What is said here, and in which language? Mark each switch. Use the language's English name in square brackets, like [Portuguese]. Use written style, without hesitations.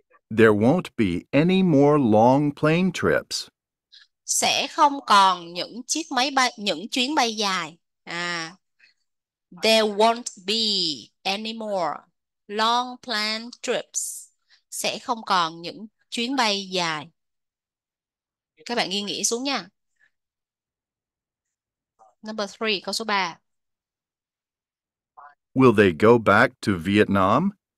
[English] There won't be any more long plane trips. [Vietnamese] Sẽ không còn những chiếc máy bay, những chuyến bay dài. [English] À, there won't be any more long plane trips. [Vietnamese] Sẽ không còn những chuyến bay dài. Các bạn ghi nghĩ xuống nha. [English] Number 3, [Vietnamese] câu số 3. [English] Will they go back to Vietnam?